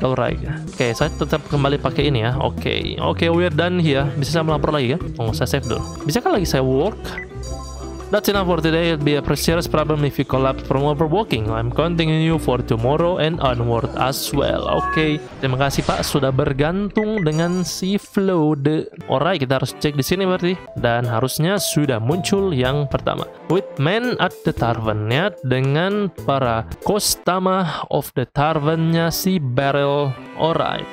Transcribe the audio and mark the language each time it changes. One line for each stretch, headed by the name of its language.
Indonesian: Okay, saya tetap kembali pakai ini ya. Okay,
English: we're done here.
Indonesian: Bisa saya melapor lagi ya? Oh, saya save dulu. Bisa kan lagi saya work?
English: That's enough for today. It'd be a serious problem if you collapse from overworking. I'm counting on you for tomorrow and onward as well. Okay.
Indonesian: Terima kasih pak sudah bergantung dengan si flow the. Alright, kita harus cek di sini berarti. Dan harusnya sudah muncul yang pertama.
English: With men at the tavern
Indonesian: ya, dengan para customer of the tavernnya si Barrel. Alright.